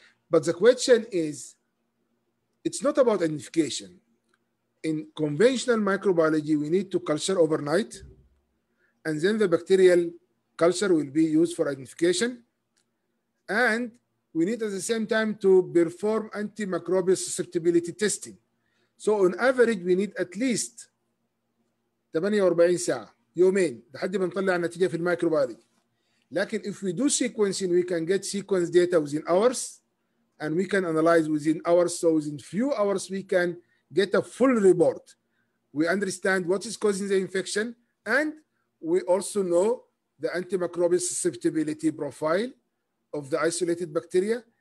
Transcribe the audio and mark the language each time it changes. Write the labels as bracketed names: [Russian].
[English] But the question is, it's not about identification. In conventional microbiology, we need to culture overnight, and then the bacterial culture will be used for identification. And we need at the same time to perform antimicrobial susceptibility testing. So on average, we need at least [Arabic] 48 ساعة, يومين, لحد ما نطلع النتيجة في الميكروبيولوجي. لكن [English] if we do sequencing, we can get sequence data within hours, and we can analyze within hours. So within few hours, we can get a full report. We understand what is causing the infection, and we also know the antimicrobial susceptibility profile of the isolated bacteria.